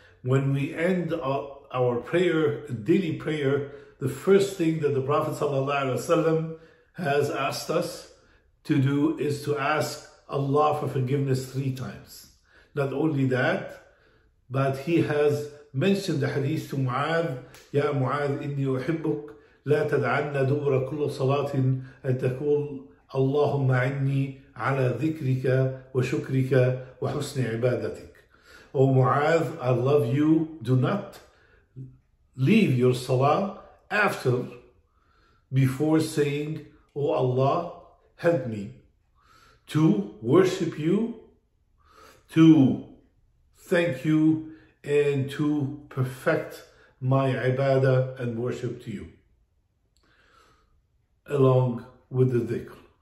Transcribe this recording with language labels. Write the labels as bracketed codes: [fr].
[en] When we end our prayer, daily prayer, the first thing that the Prophet sallallahu alaihi wasallam has asked us to do is to ask Allah for forgiveness three times. Not only that, but he has mentioned the hadith to Mu'adh, [ar] Ya Mu'adh, inni uhibbuk. لا تدعن دبر كل صلاة أن تقول اللهم عني على ذكرك وشكرك وحسن عبادتك. [en] O Mu'adh, I love you. Do not leave your salah after, before saying, O Allah, help me to worship you, to thank you, and to perfect my ibadah and worship to you, along with the dhikr.